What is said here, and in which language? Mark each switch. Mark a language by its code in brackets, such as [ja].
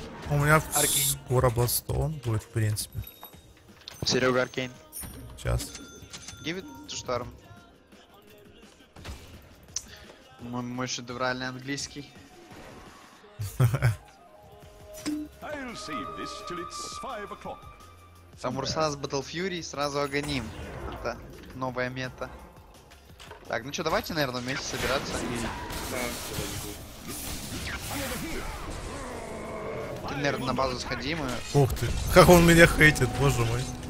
[ru] У меня скоро бластон будет, в принципе. Серега, Аркейн. Сейчас. [en] Give it to Storm. [ru] Мой шедевральный английский. [en] I'll save this till it's 5 o'clock. [ru] Там Урсана с Battle Fury сразу огоним. Это новая мета. Так, ну что, давайте, наверное, вместе собираться. И, наверное, на базу сходим и... Ух ты, как он меня хейтит, боже мой.